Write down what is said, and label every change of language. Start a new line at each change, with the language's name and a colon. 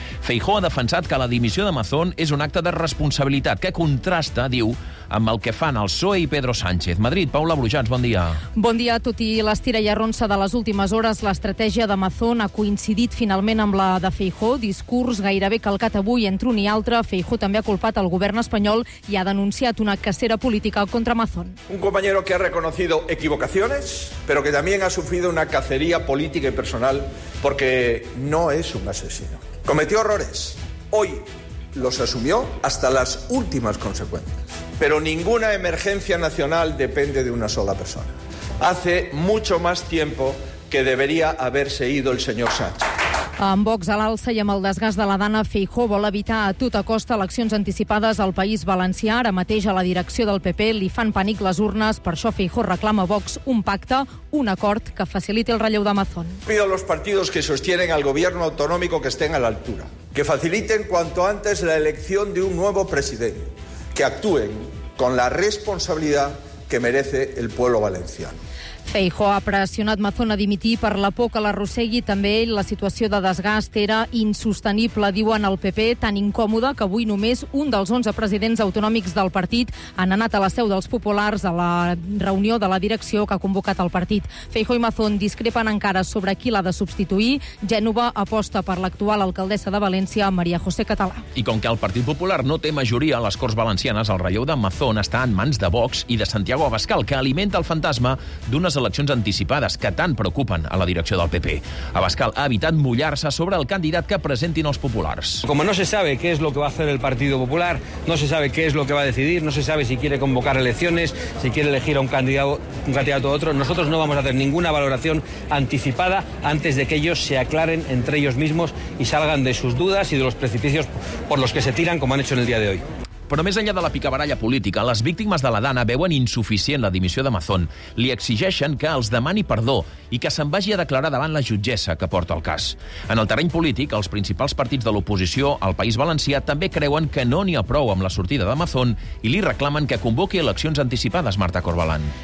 Catalan: Feijóo ha defensat que la dimissió d'Amazon és un acte de responsabilitat que contrasta, diu, amb el que fan el PSOE i Pedro Sánchez. Madrid, Paula Brujans, bon dia. Bon dia. Tot i l'estira i arronsa de les últimes hores, l'estratègia d'Amazon ha coincidit finalment amb la de Feijóo. Discurs gairebé calcat avui entre un i altre. Feijóo també ha culpat el govern espanyol i ha denunciat una cacera política contra Amazon.
Spanish: Un compañero que ha reconocido equivocaciones, pero que también ha sufrido una cacería política y personal porque no es un asesino. Cometió errores. Hoy los asumió hasta las últimas consecuencias. Pero ninguna emergencia nacional depende de una sola persona. Hace mucho más tiempo que debería haberse ido el señor Sánchez.
Catalan: Amb Vox a l'alça i amb el desgast de la Dana, Feijóo vol evitar a tota costa eleccions anticipades al País Valencià. Ara mateix a la direcció del PP li fan pànic les urnes. Per això Feijóo reclama a Vox un pacte, un acord que faciliti el relleu d'Amazon.
Spanish: Pido a los partidos que sostienen al gobierno autonómico que estén a la altura. Que faciliten cuanto antes la elección de un nuevo presidente. Que actúen con la responsabilidad que merece el pueblo valenciano.
Catalan: Feijóo ha pressionat Mazón a dimitir per la por que l'arrossegui. També ell, la situació de desgast era insostenible, diuen el PP, tan incòmoda que avui només un dels 11 presidents autonòmics del partit han anat a la seu dels populars a la reunió de la direcció que ha convocat el partit. Feijóo i Mazón discrepen encara sobre qui l'ha de substituir. Gènova aposta per l'actual alcaldessa de València, Maria José Català. I com que el Partit Popular no té majoria a les Corts Valencianes, el relleu de Mazón està en mans de Vox i de Santiago Abascal, que alimenta el fantasma d'una eleccions anticipades que tant preocupen a la direcció del PP. Abascal ha evitat mullar-se sobre el candidat que presentin els populars.
Spanish: Como no se sabe qué es lo que va a hacer el Partido Popular, no se sabe qué es lo que va a decidir, no se sabe si quiere convocar elecciones, si quiere elegir a un candidato u otro, nosotros no vamos a hacer ninguna valoración anticipada antes de que ellos se aclaren entre ellos mismos y salgan de sus dudas y de los precipicios por los que se tiran, como han hecho en el día de hoy.
Catalan: Però més enllà de la picabaralla política, les víctimes de la Dana veuen insuficient la dimissió d'Amazon. Li exigeixen que els demani perdó i que se'n vagi a declarar davant la jutgessa que porta el cas. En el terreny polític, els principals partits de l'oposició al País Valencià també creuen que no n'hi ha prou amb la sortida d'Amazon i li reclamen que convoqui eleccions anticipades, Marta Corbalán.